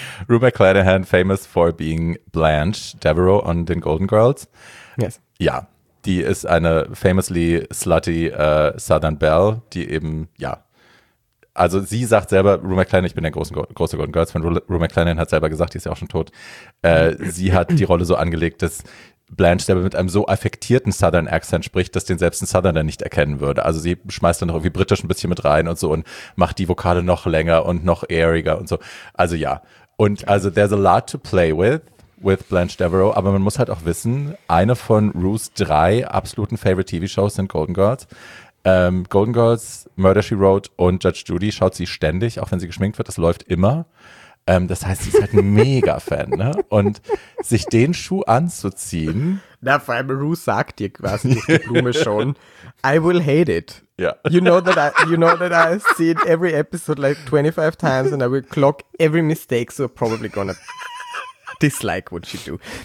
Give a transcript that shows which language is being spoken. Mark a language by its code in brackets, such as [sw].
[en] Rue McClanahan, famous for being Blanche Devereaux on den Golden Girls. Yes. [de] Ja, die ist eine famously slutty Southern Belle, die eben, ja. Also sie sagt selber, Rue McClanahan, ich bin der große Golden Girls-Fan, Rue McClanahan hat selber gesagt, die ist ja auch schon tot. Sie hat die Rolle so angelegt, dass Blanche selber mit einem so affektierten Southern Accent spricht, dass den selbst ein Southerner nicht erkennen würde. Also sie schmeißt dann noch irgendwie britisch ein bisschen mit rein und so und macht die Vokale noch länger und noch airiger und so. Also ja. Und also there's a lot to play with Blanche Devereaux, aber man muss halt auch wissen, eine von Rue's drei absoluten favorite TV-Shows sind Golden Girls. Golden Girls, Murder, She Wrote und Judge Judy schaut sie ständig, auch wenn sie geschminkt wird, das läuft immer. Das heißt, sie ist halt ein Mega-Fan, ne? Und sich den Schuh anzuziehen. Na, vor allem Rue sagt dir quasi durch die Blume schon, I will hate it. Ja. [en] You know that I see it every episode like 25 times and I will clock every mistake, so probably gonna dislike what you do.